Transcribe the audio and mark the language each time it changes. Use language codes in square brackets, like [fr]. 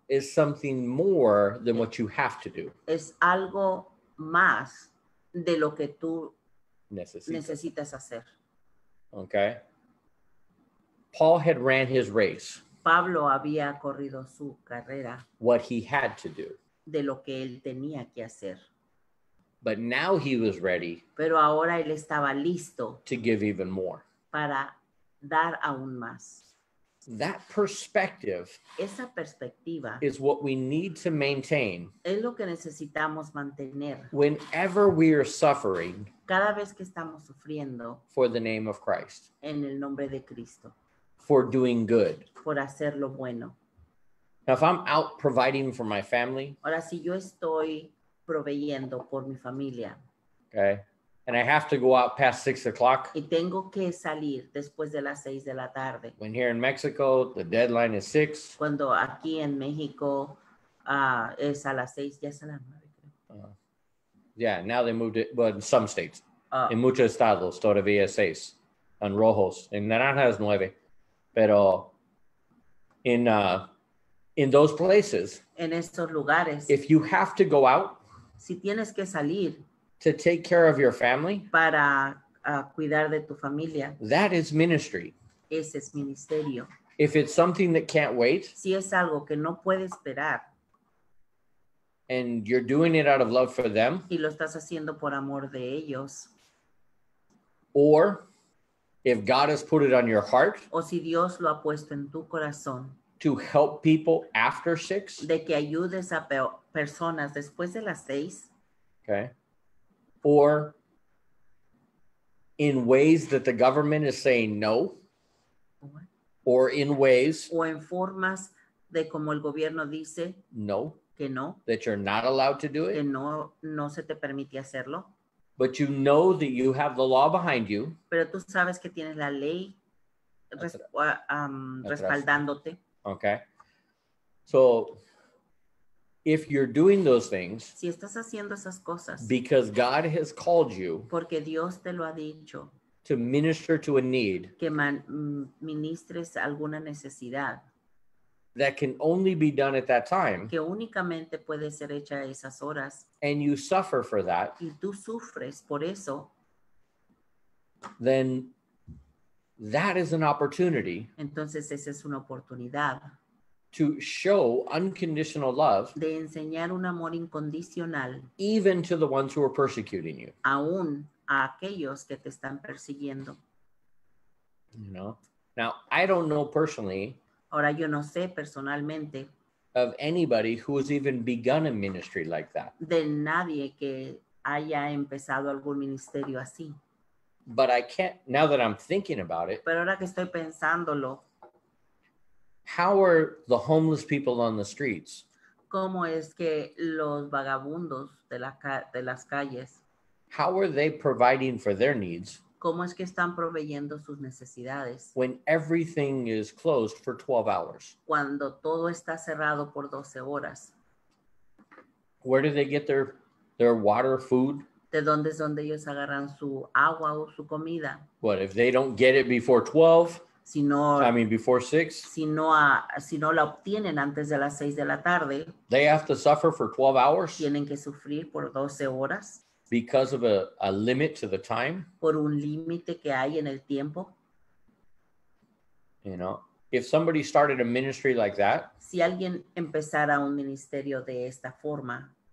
[en] is something more than what you have to do. [es] Es algo más de lo que tú necesitas hacer. [en] Okay. Paul had ran his race. [es] Pablo había corrido su carrera. [en] What he had to do. [es] De lo que él tenía que hacer. [en] But now he was ready. [es] Pero ahora él estaba listo. [en] To give even more. [es] Para dar aún más. [en] That perspective, [es] esa perspectiva, [en] is what we need to maintain. [es] Es lo que necesitamos mantener. [en] Whenever we are suffering, [es] cada vez que estamos sufriendo, [en] for the name of Christ, [es] en el nombre de Cristo, [en] for doing good, [es] por hacer lo bueno. [en] Now, if I'm out providing for my family, [es] ahora si yo estoy proveyendo por mi familia, [en] okay. And I have to go out past 6 o'clock. [es] Y tengo que salir después de las 6 de la tarde. [en] When here in Mexico, the deadline is 6. [es] Cuando aquí en México, es a las 6. Ya es a las 9. [en] Yeah, now they moved it. But in some states. [es] En muchos estados todavía es 6. En rojos. En naranjas 9. Pero [en] in those places, [es] en esos lugares, [en] if you have to go out, [es] si tienes que salir, [en] to take care of your family, [es] para cuidar de tu familia, [en] that is ministry. [es] Ese es ministerio. [en] If it's something that can't wait, [es] si es algo que no puede esperar, [en] and you're doing it out of love for them, [es] y lo estás haciendo por amor de ellos, [en] or if God has put it on your heart, [es] o si Dios lo ha puesto en tu corazón, [en] to help people after six, [es] de que ayudes a personas después de las seis, [en] okay, or in ways that the government is saying no, or in ways, [es] o en formas de como el gobierno dice [en] no, [es] que no, [en] that you're not allowed to do it, [es] que no, no se te permite hacerlo, [en] but you know that you have the law behind you, [es] pero tú sabes que tienes la ley respaldándote. [en] Okay, so if you're doing those things, [es] si estás haciendo esas cosas, [en] because God has called you, [es] porque Dios te lo ha dicho, [en] to minister to a need, [es] que ministres alguna necesidad, [en] that can only be done at that time, [es] que únicamente puede ser hecha a esas horas, [en] and you suffer for that, [es] y tú sufres por eso, [en] then that is an opportunity. [es] Entonces esa es una oportunidad. [en] To show unconditional love. [es] De enseñar un amor incondicional. [en] Even to the ones who are persecuting you. [es] Aún a aquellos que te están persiguiendo. [en] You know. Now I don't know personally. [es] Ahora yo no sé personalmente. [en] Of anybody who has even begun a ministry like that. [es] De nadie que haya empezado algún ministerio así. [en] But I can't, now that I'm thinking about it. [es] Pero ahora que estoy pensándolo, [en] how are the homeless people on the streets? [es] ¿Cómo es que los vagabundos de las calles? [en] How are they providing for their needs? [es] ¿Cómo es que están proveyendo sus necesidades? [en] When everything is closed for 12 hours. [es] Cuando todo está cerrado por 12 horas. [en] Where do they get their water, food? [es] ¿De dónde es donde ellos agarran su agua o su comida? [en] What, if they don't get it before 12? [es] Si no, [en] I mean, before 6? [es] Si no la obtienen antes de las 6 de la tarde. [en] They have to suffer for 12 hours? [es] Tienen que sufrir por 12 horas. [en] Because of a limit to the time? [es] Por un límite que hay en el tiempo. [en] You know, if somebody started a ministry like that. [es] Si alguien empezara un ministerio de esta forma.